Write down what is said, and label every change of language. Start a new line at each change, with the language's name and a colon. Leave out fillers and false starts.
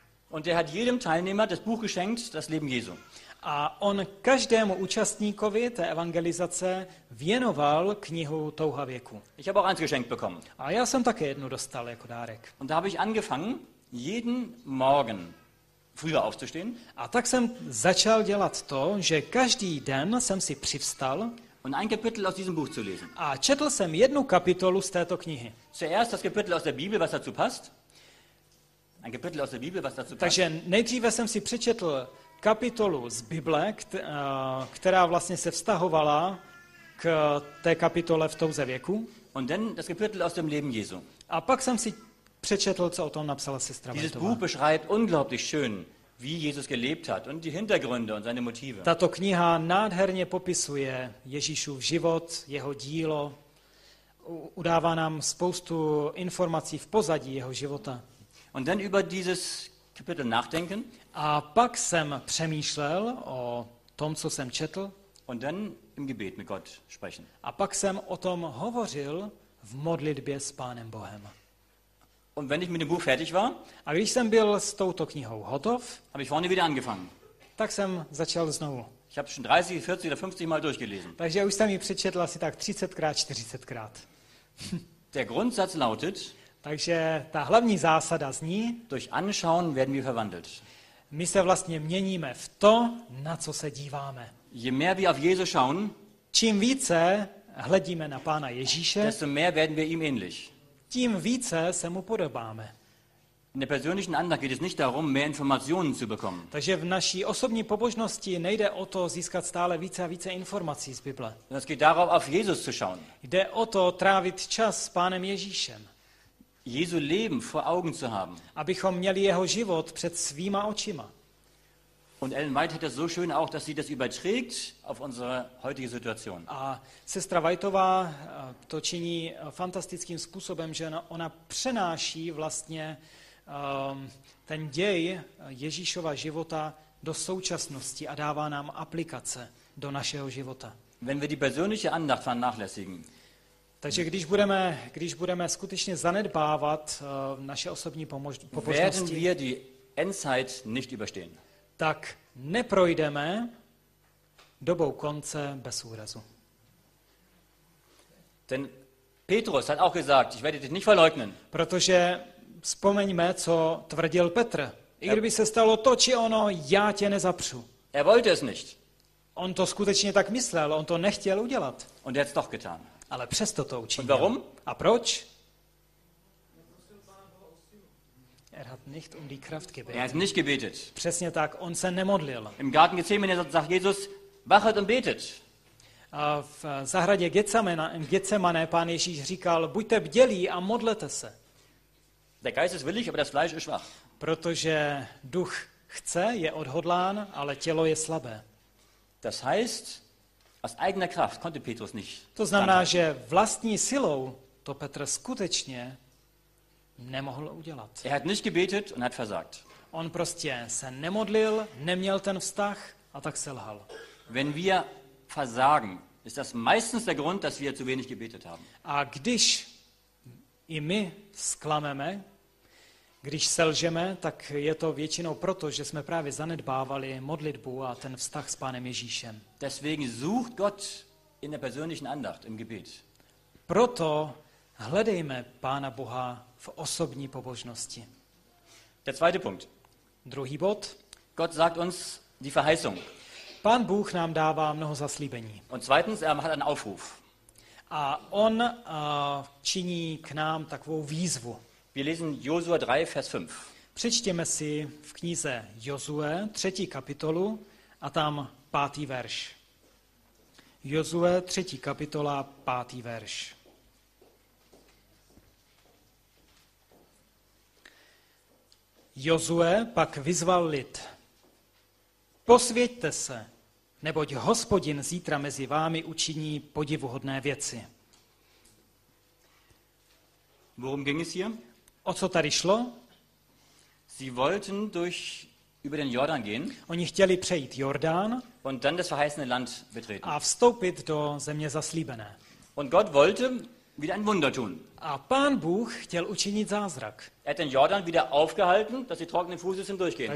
German: Und er hat jedem Teilnehmer das Buch geschenkt, das Leben Jesu.
Czech: A on každému účastníkovi té evangelizace věnoval knihu Touha věku.
German: Ich habe auch eins geschenkt bekommen.
Czech: A já jsem také jednu dostal jako dárek.
German: Und da habe ich angefangen, jeden Morgen früher aufzustehen.
Czech: A tak jsem začal dělat to, že každý den jsem si přivstal
German: und ein Kapitel aus diesem Buch zu lesen.
Czech: A četl jsem jednu kapitolu z této knihy.
German: Zuerst das Kapitel aus der Bibel, was dazu passt. Ein Kapitel aus der Bibel, was dazu passt.
Czech: Takže nejdříve jsem si přečetl kapitolu z Bible, která vlastně se vztahovala k té kapitole v Touze věku.
German: Und dann das Kapitel aus dem Leben Jesu.
Czech: A pak jsem si přečetl, co o tom napsala sestra Ventová.
German: Dieses Buch beschreibt unglaublich schön, wie Jesus gelebt hat und die Hintergründe und seine Motive.
Czech: Tato kniha nádherně popisuje Ježíšův život, jeho dílo, udává nám spoustu informací v pozadí jeho života.
German: Und dann über dieses Kapitel nachdenken.
Czech: A pak jsem přemýšlel o tom, co jsem četl.
German: Und dann im Gebet mit Gott sprechen.
Czech: A pak jsem o tom hovořil v modlitbě s Pánem Bohem.
German: Und wenn ich mit dem Buch fertig war,
Czech: a když jsem byl s touto knihou hotov,
German: habe ich vorne wieder angefangen.
Czech: Tak jsem začal znovu.
German: Ich habe schon 30, 40 oder 50 Mal durchgelesen.
Czech: Takže už jsem ji přečetl asi tak 30krát, 40krát.
German: Der Grundsatz lautet,
Czech: takže ta hlavní zásada zní,
German: durch Anschauen werden wir verwandelt.
Czech: My se vlastně měníme v to, na co se díváme.
German: Je mehr wir auf Jesus schauen,
Czech: čím více hledíme na Pána Ježíše,
German: desto mehr werden wir ihm ähnlich.
Czech: Tím více se mu podobáme.
German: In der persönlichen Andacht geht es nicht darum, mehr Informationen zu bekommen.
Czech: Takže v naší osobní pobožnosti nejde o to získat stále více a více informací z Bible.
German: Es geht darum, auf Jesus zu schauen.
Czech: Jde o to trávit čas s Pánem Ježíšem.
German: Jesu Leben vor Augen zu haben.
Czech: Abychom měli jeho život před svýma očima.
German: Und Ellen White hat das so schön auch, dass sie das überträgt auf unsere heutige Situation.
Czech: A sestra Whiteová to činí fantastickým způsobem, že ona přenáší vlastně ten děj Ježíšova života do současnosti a dává nám aplikace do našeho života.
German: Wenn wir die persönliche Andacht vernachlässigen.
Czech: Takže když budeme skutečně zanedbávat naše osobní pobožnosti,
German: werden wir die Endzeit nicht überstehen.
Czech: Tak neprojdeme dobou konce bez úrazu.
German: Denn Petrus hat auch gesagt, ich werde dich nicht verleugnen.
Czech: Protože vzpomeňme, co tvrdil Petr. I kdyby se stalo to či ono, já tě nezapřu.
German: Er wollte es nicht.
Czech: On to skutečně tak myslel, on to nechtěl udělat.
German: Und er hat's doch getan.
Czech: Ale přesto to učinil.
German: Und warum?
Czech: A proč?
German: Er hat nicht um die Kraft gebetet. Er hat nicht gebetet.
Czech: Přesně tak, on se nemodlil.
German: Im Garten Gethsemane sagt Jesus, wachet und betet.
Czech: A v zahradě Getsemane Pán Ježíš říkal, buďte bdělí a modlete se.
German: Der Geist ist willig, aber das Fleisch ist schwach.
Czech: Protože duch chce, je odhodlán, ale tělo je slabé.
German: Das heißt, aus eigener Kraft konnte Petrus nicht.
Czech: To znamená, že vlastní silou to Petr skutečně nemohl udělat.
German: Er hat nicht gebetet und hat versagt.
Czech: On prostě se nemodlil, neměl ten vztah a tak selhal.
German: Wenn wir versagen, ist das meistens der Grund, dass wir zu wenig gebetet haben.
Czech: A když i my zklameme, když selžeme, tak je to většinou proto, že jsme právě zanedbávali modlitbu a ten vztah s Pánem Ježíšem.
German: Deswegen sucht Gott in der persönlichen Andacht im Gebet.
Czech: Proto hledejme Pána Boha v osobní pobožnosti.
German: Der zweite Punkt.
Czech: Druhý bod.
German: Gott sagt uns die Verheißung.
Czech: Pán Bůh nám dává mnoho zaslíbení.
German: Und zweitens, er macht einen Aufruf.
Czech: A on činí k nám takovou výzvu.
German: Wir lesen Josua 3, Vers 5.
Czech: Přečtěme si v knize Josue, 3. kapitolu a tam 5. verš. Josue, 3. kapitola, 5. verš. Josue pak vyzval lid. Posvěťte se, neboť Hospodin zítra mezi vámi učiní podivuhodné věci.
German: Worum ging es hier?
Czech: O co tady šlo?
German: Sie wollten durch über den Jordan gehen.
Czech: Oni chtěli přejít Jordán.
German: Und dann das verheißene Land betreten.
Czech: A vstoupit do země zaslíbené.
German: Und Gott wollte wieder ein Wunder tun.
Czech: A Pán Bůh chtěl učinit zázrak.
German: Er hat den Jordan wieder aufgehalten, dass sie trockenen Fußes hindurchgehen